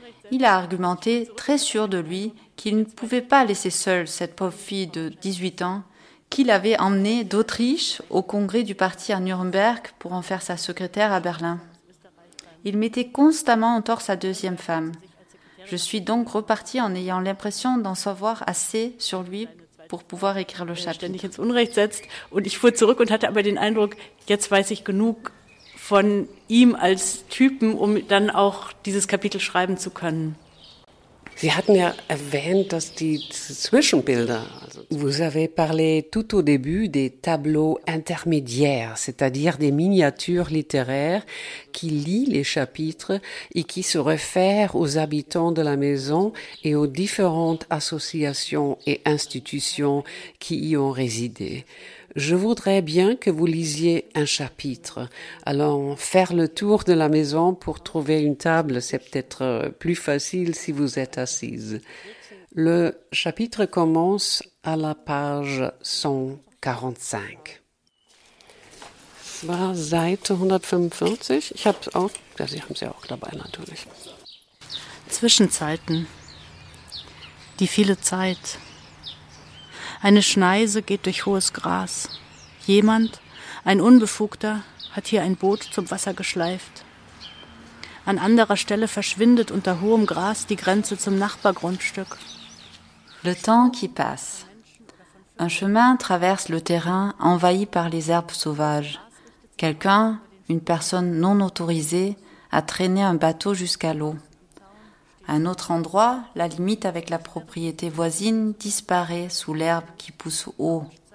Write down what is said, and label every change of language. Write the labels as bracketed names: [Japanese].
[French] Il a argumenté, très sûr de lui, qu'il ne pouvait pas laisser seule cette pauvre fille de 18 ans, qu'il avait emmenée d'Autriche au congrès du parti à Nuremberg pour en faire sa secrétaire à Berlin. Il mettait constamment en tort sa deuxième femme. Je suis donc repartie en ayant l'impression d'en savoir assez sur lui pour pouvoir écrire le chapitre. [German] Ständig ins Unrecht setzt und ich fuhr zurück und hatte aber den Eindruck, jetzt weiß ich genug von ihm als Typen, um dann auch dieses Kapitel schreiben zu können. Sie hatten ja erwähnt, dass die Zwischenbilder, also [French] vous avez parlé tout au début des tableaux intermédiaires, c'est-à-dire des miniatures littéraires qui lient les chapitres et qui se réfèrent aux habitants de la maison et aux différentes associations et institutions qui y ont résidé. Je voudrais bien que vous lisiez un chapitre. Allons faire le tour de la maison pour trouver une table. C'est peut-être plus facile si vous êtes assise. Le chapitre commence à la page 145. [German] War Seite 145. Ich habe es auch. Ja, Sie haben es ja auch dabei natürlich. Zwischenzeiten. Die viele Zeit. Eine Schneise geht durch hohes Gras. Jemand, ein Unbefugter, hat hier ein Boot zum Wasser geschleift. An anderer Stelle verschwindet unter hohem Gras die Grenze zum Nachbargrundstück. [French] Le temps qui passe. Un chemin traverse le terrain envahi par les herbes sauvages. Quelqu'un, une personne non autorisée, a traîné un bateau jusqu'à l'eau. À un autre endroit, la limite avec la propriété voisine disparaît sous l'herbe qui pousse haut.